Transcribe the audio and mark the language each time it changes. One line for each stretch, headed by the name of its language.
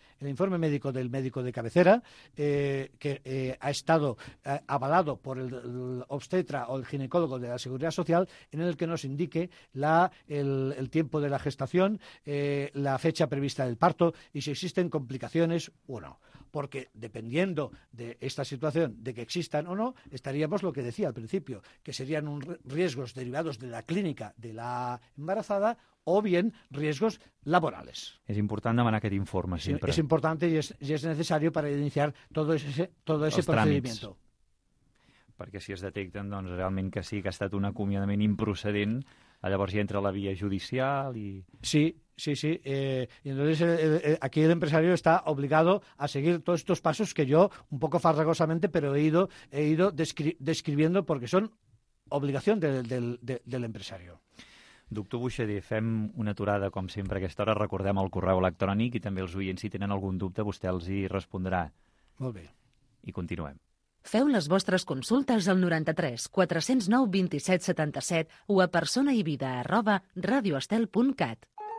Spanish: El informe médico del médico de cabecera, que ha estado avalado por el obstetra o el ginecólogo de la Seguridad Social, en el que nos indique el tiempo de la gestación, la fecha prevista del parto y si existen complicaciones o no. Porque dependiendo de esta situación, de que existan o no, estaríamos lo que decía al principio, que serían riesgos derivados de la clínica de la embarazada o bien riesgos laborales.
Catalan: És important demanar aquest informe sempre. És important i és necessari per iniciar tot ese procediment. Perquè si es detecten doncs, realment que sí, que ha estat un acomiadament improcedent, llavors hi entra la via judicial i... Sí. Sí, sí.
Spanish: Entonces, aquí el empresario está obligado a seguir todos estos pasos que yo, un poco farragosamente, pero he ido describiendo porque son obligación del empresario.
Catalan: Doctor Buixader, fem una aturada, com sempre, a aquesta hora. Recordem el correu electrònic i també els oients, si tenen algun dubte, vostè els hi respondrà. Molt bé. I continuem. Feu les vostres consultes al 93 409 27 77 o a personaivida@radioestel.cat.